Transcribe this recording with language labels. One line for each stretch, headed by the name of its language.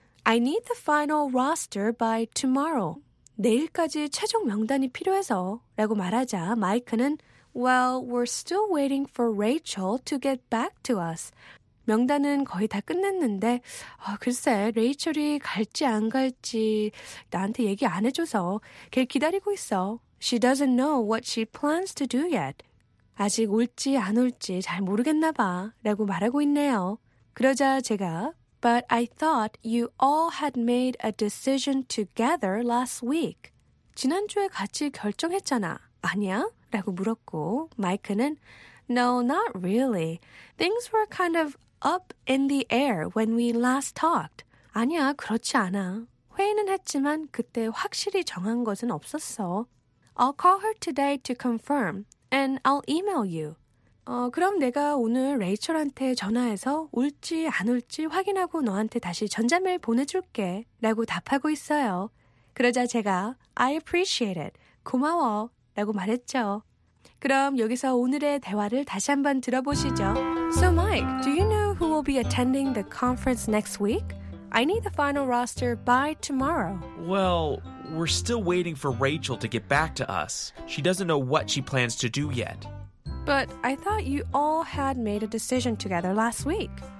English: I need the final roster by tomorrow.
Korean: 내일까지 최종 명단이 필요해서 라고 말하자 마이크는
English: Well, we're still waiting for Rachel to get back to us.
Korean: 명단은 거의 다 끝냈는데 글쎄, 레이첼이 갈지 안 갈지 나한테 얘기 안 해줘서 걔 기다리고 있어.
English: She doesn't know what she plans to do yet.
Korean: 아직 올지 안 올지 잘 모르겠나 봐 라고 말하고 있네요. 그러자 제가
English: But I thought you all had made a decision together last week.
Korean: 지난주에 같이 결정했잖아. 아니야? 라고 물었고 마이크는
English: No, not really. Things were kind of up in the air when we last talked.
Korean: 아니야, 그렇지 않아. 회의는 했지만 그때 확실히 정한 것은 없었어.
English: I'll call her today to confirm and I'll email you.
Korean: 그럼 내가 오늘 레이첼한테 전화해서 올지 안 올지 확인하고 너한테 다시 전자메일 보내줄게 라고 답하고 있어요. 그러자 제가
English: I appreciate it.
Korean: 고마워 라고 말했죠. 그럼 여기서 오늘의 대화를 다시 한번 들어보시죠.
English: So Mike, do you know who will be attending the conference next week? I need the final roster by tomorrow. Well, we're still waiting for Rachel to get back to us. She doesn't know what she plans to do yet. But I thought you all had made a decision together last week.